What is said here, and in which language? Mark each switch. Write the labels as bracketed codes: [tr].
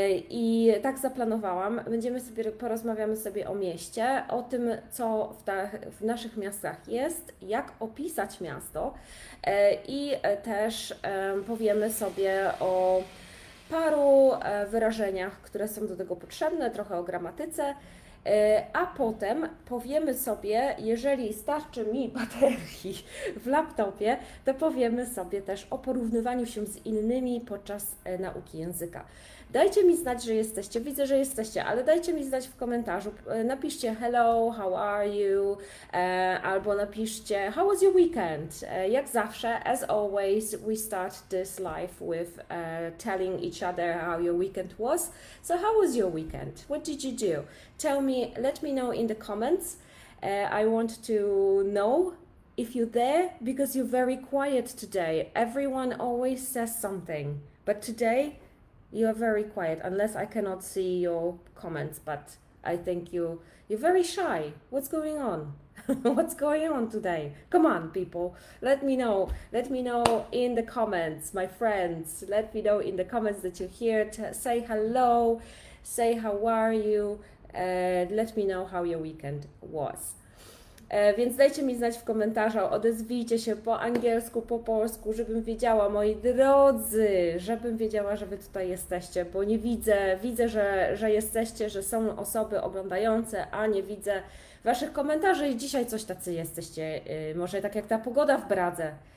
[pl] I tak zaplanowałam, porozmawiamy sobie o mieście, o tym, co w naszych miastach jest, jak opisać miasto i też powiemy sobie o paru wyrażeniach, które są do tego potrzebne, trochę o gramatyce, a potem powiemy sobie, jeżeli starczy mi baterii w laptopie, to powiemy sobie też o porównywaniu się z innymi podczas nauki języka. Dajcie mi znać, że jesteście. Widzę, że jesteście, ale dajcie mi znać w komentarzu. Napiszcie [en] hello, how are you? [pl] Albo napiszcie [en] how was your weekend? [pl] Jak zawsze, [en] as always, we start this life with telling each other how your weekend was. So how was your weekend? What did you do? Tell me, let me know in the comments. I want to know if you're there because you're very quiet today. Everyone always says something, but today you are very quiet, unless I cannot see your comments, but I think you're very shy. What's going on? What's going on today? Come on, people. Let me know. Let me know in the comments, my friends. Let me know in the comments that you're here. Say hello. Say how are you. Let me know how your weekend was. [pl] Więc dajcie mi znać w komentarzu, odezwijcie się po angielsku, po polsku, żebym wiedziała, moi drodzy, żebym wiedziała, że wy tutaj jesteście, bo nie widzę, widzę, że jesteście, że są osoby oglądające, a nie widzę waszych komentarzy i dzisiaj coś tacy jesteście, może tak jak ta pogoda w Bradze,